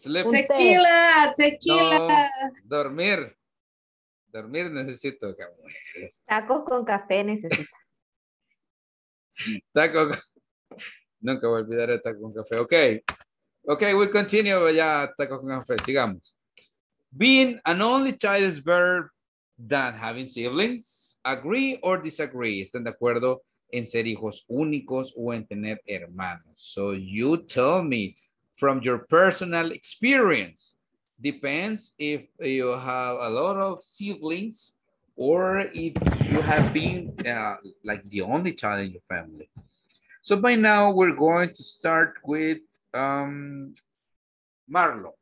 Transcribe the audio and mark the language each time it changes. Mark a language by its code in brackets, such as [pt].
[es] Tequila. No, dormir necesito. Tacos con café necesito. Tacos. Nunca voy a olvidar el taco con café. [en] Okay, we continue. [es] Ya tacos con café. Sigamos. [en] Being an only child is better than having siblings. Agree or disagree? [es] ¿Están de acuerdo en ser hijos únicos o en tener hermanos? [en] So you tell me. From your personal experience, depends if you have a lot of siblings or if you have been like the only child in your family. So by now we're going to start with Marlo.